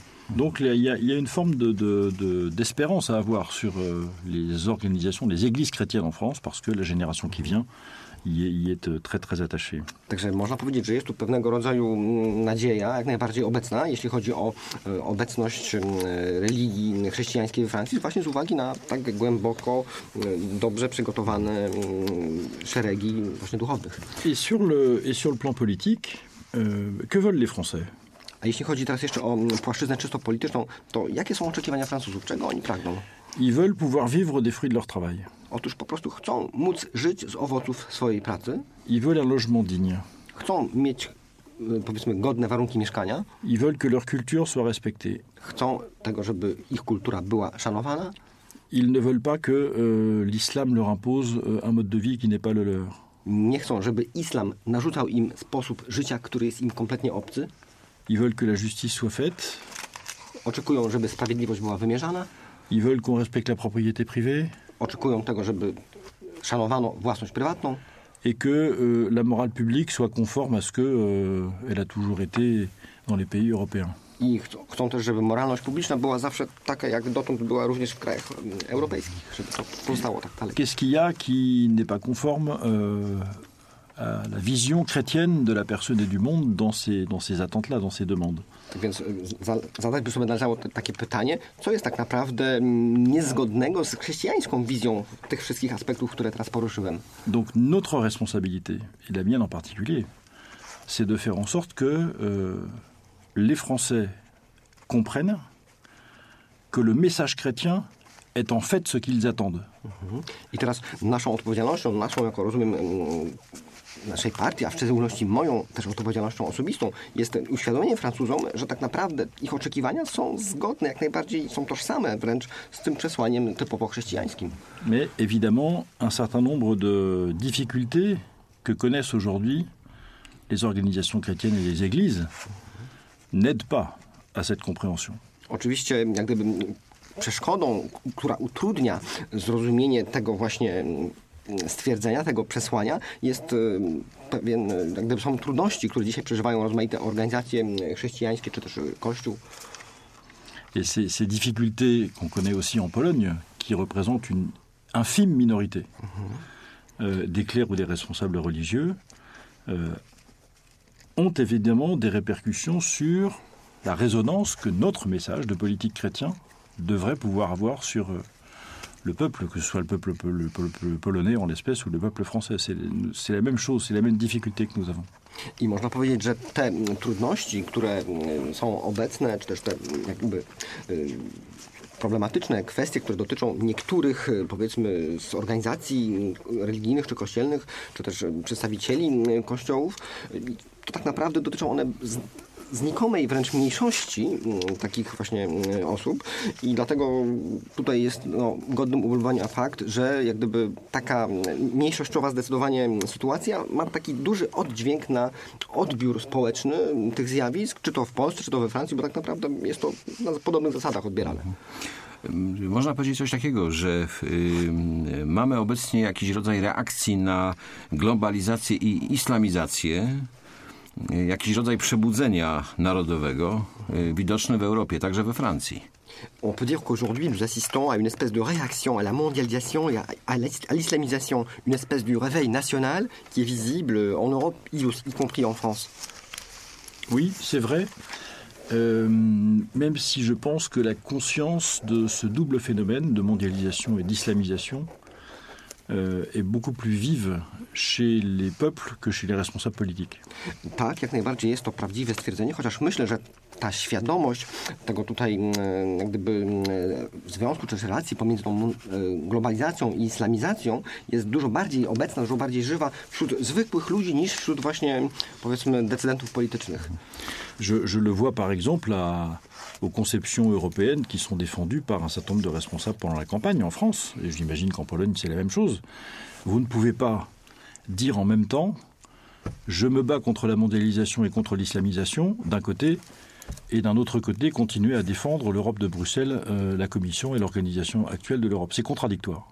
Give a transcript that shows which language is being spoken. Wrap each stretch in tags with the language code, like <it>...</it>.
<fr>Donc il y a une forme d'espérance à avoir sur les organisations, les églises chrétiennes en France, parce que la génération qui vient y est très très attachée.</fr> <pl>Także można powiedzieć, że jest tu pewnego rodzaju nadzieja, jak najbardziej obecna, jeśli chodzi o obecność religii chrześcijańskiej we Francji, właśnie z uwagi na tak głęboko dobrze przygotowane szeregi właśnie duchowych.</pl> <fr>Et sur le plan politique, que veulent les Français?</fr> <pl>A jeśli chodzi teraz jeszcze o płaszczyznę czysto polityczną, to jakie są oczekiwania Francuzów? Czego oni pragną?</pl> <fr>Ils veulent pouvoir vivre des fruits de leur travail.</fr> <pl>Otóż po prostu chcą móc żyć z owoców swojej pracy.</pl> <fr>Ils veulent un logement digne.</fr> <pl>Chcą mieć, powiedzmy, godne warunki mieszkania.</pl> <fr>Ils veulent que leur culture soit respectée.</fr> <pl>Chcą tego, żeby ich kultura była szanowana.</pl> <fr>Ils ne veulent pas que l'islam leur impose un mode de vie qui n'est pas le leur.</fr> <pl>Nie chcą, żeby islam narzucał im sposób życia, który jest im kompletnie obcy.</pl> <fr>Ils veulent que la justice soit faite.</fr> <pl>Oczekują, żeby sprawiedliwość była wymierzana.</pl> <fr>Ils veulent qu'on respecte la propriété privée.</fr> <pl>Oczekują tego, żeby szanowano własność prywatną.</pl> <fr>Et que la morale publique soit conforme à ce que elle a toujours été dans les pays européens.</fr> <pl>I chcą też, żeby moralność publiczna była zawsze taka, jak dotąd była również w krajach europejskich, żeby to pozostało tak dalej.</pl> <fr>Qu'est-ce qu'il y a qui n'est pas conforme à la vision chrétienne de la personne et du monde dans ces attentes-là, dans ces demandes.</fr> <pl>Tak więc zadać by sobie należało takie pytanie, co jest tak naprawdę niezgodnego z chrześcijańską wizją tych wszystkich aspektów, które teraz poruszyłem.</pl> <fr>Donc notre responsabilité, et la mienne en particulier, c'est de faire en sorte que les Français comprennent que le message chrétien est en fait ce qu'ils attendent.</fr> <pl>I teraz naszą odpowiedzialnością, naszą, jak rozumiem, naszej partii, a w szczególności moją też odpowiedzialnością osobistą, jest uświadomienie Francuzom, że tak naprawdę ich oczekiwania są zgodne, jak najbardziej są tożsame wręcz z tym przesłaniem typowo chrześcijańskim.</pl> <fr>Mais évidemment, un certain nombre de difficultés que connaissent aujourd'hui les organisations chrétiennes et les églises n'aident pas à cette compréhension.</fr> <pl>Oczywiście, jak gdyby przeszkodą, która utrudnia zrozumienie tego właśnie stwierdzenia, tego przesłania, jest pewien, jak gdyby są trudności, które dzisiaj przeżywają rozmaite organizacje chrześcijańskie, czy też Kościół.</pl> <fr>Et ces difficultés qu'on connaît aussi en Pologne, qui représentent une infime minorité des clercs ou des responsables religieux, ont évidemment des répercussions sur la résonance que notre message de politique chrétien devrait pouvoir avoir sur le peuple, que ce soit le peuple polonais en l'espèce ou le peuple français. C'est la même chose, c'est la même difficulté que nous avons.</fr> <pl>I można powiedzieć, że te trudności, które są obecne, czy też te jakby problematyczne kwestie, które dotyczą niektórych, powiedzmy, z organizacji religijnych czy kościelnych, czy też przedstawicieli kościołów, to tak naprawdę dotyczą one znikomej wręcz mniejszości takich właśnie osób i dlatego tutaj jest godnym ubolewania fakt, że jak gdyby taka mniejszościowa zdecydowanie sytuacja ma taki duży oddźwięk na odbiór społeczny tych zjawisk, czy to w Polsce, czy to we Francji, bo tak naprawdę jest to na podobnych zasadach odbierane. Można powiedzieć coś takiego, że mamy obecnie jakiś rodzaj reakcji na globalizację i islamizację, jakiś rodzaj przebudzenia narodowego widoczny w Europie, także we Francji.</pl> <fr>On peut dire qu'aujourd'hui nous assistons à une espèce de réaction à la mondialisation et à l'islamisation, une espèce du réveil national qui est visible en Europe, y compris en France. Oui, c'est vrai. Même si je pense que la conscience de ce double phénomène de mondialisation et d'islamisation est beaucoup plus vive chez les peuples que chez les responsables politiques.</fr> <pl>Tak, jak najbardziej jest to prawdziwe stwierdzenie, chociaż myślę, że ta świadomość tego tutaj jak gdyby związku czy relacji pomiędzy tą globalizacją i islamizacją jest dużo bardziej obecna, dużo bardziej żywa wśród zwykłych ludzi niż wśród właśnie powiedzmy decydentów politycznych.</pl> <fr>Je le vois par exemple aux conceptions européennes qui sont défendues par un certain nombre de responsables pendant la campagne en France, et j'imagine qu'en Pologne c'est la même chose. Vous ne pouvez pas dire en même temps je me bats contre la mondialisation et contre l'islamisation d'un côté et d'un autre côté continuer à défendre l'Europe de Bruxelles, la Commission et l'organisation actuelle de l'Europe. C'est contradictoire.</fr>